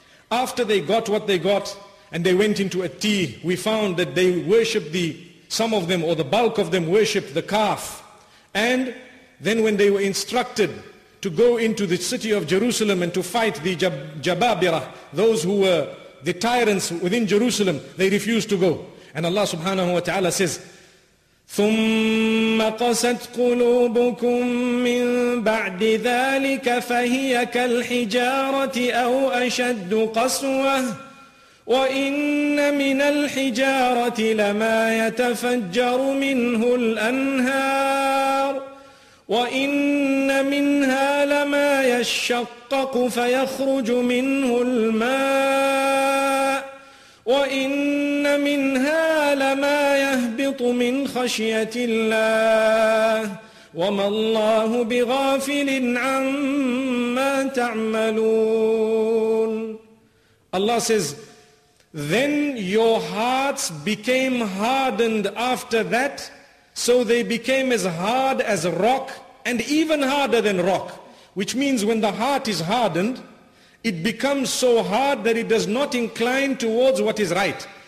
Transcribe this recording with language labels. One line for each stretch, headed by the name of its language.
English: After they got what they got and they went into a tea, we found that they worshipped the bulk of them worshipped the calf. And then when they were instructed to go into the city of Jerusalem and to fight the Jababira, those who were the tyrants within Jerusalem, they refused to go. And Allah subhanahu wa ta'ala says,
Arabic: ثُمَّ قَسَتْ قُلُوبُكُمْ مِنْ بَعْدِ ذَٰلِكَ فَهِيَ كَالْحِجَارَةِ أَوْ أَشَدُّ قَسْوَةً وَإِنَّ مِنَ الْحِجَارَةِ لَمَا يَتَفَجَّرُ مِنْهُ الْأَنْهَارُ وَإِنَّ مِنْهَا لَمَا يَشَّقَّقُ فَيَخْرُجُ مِنْهُ الْمَاءُ وَإِنَّ مِنْهَا لَمَا يَهْبِطُ مِنْ خَشْيَةِ اللَّهِ وَمَا اللَّهُ بِغَافِلٍ عَمَّا تَعْمَلُونَ.
English: Allah says, then your hearts became hardened after that, so they became as hard as rock and even harder than rock. Which means when the heart is hardened, it becomes so hard that it does not incline towards what is right.